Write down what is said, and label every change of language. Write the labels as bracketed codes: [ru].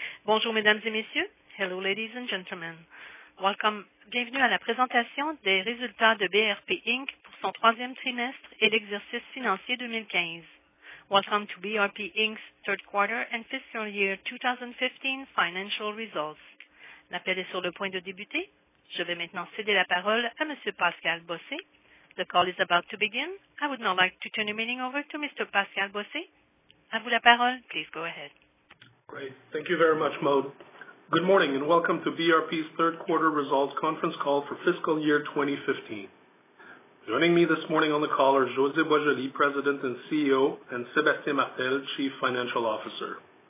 [fr] Bonjour, mesdames et messieurs. [en] Hello, ladies and gentlemen. Welcome. [fr] Bienvenue à la présentation des résultats de BRP Inc. pour son troisième trimestre et l'exercice financier 2015. [en] Welcome to BRP Inc.'s third quarter and fiscal year 2015 financial results. [fr] L'appel est sur le point de débuter. Je vais maintenant céder la parole à Monsieur Pascal Bossé. [en] The call is about to begin. I would now like to turn the meeting over to Mr. [fr] Pascal Bossé. À vous la parole. [en] Please go ahead. Great. Thank you very much, Maud. Good morning and welcome to BRP's third quarter results conference call for fiscal year 2015. Joining me this morning on the call are José Boisjoli, President and CEO, and Sébastien Martel, Chief Financial Officer.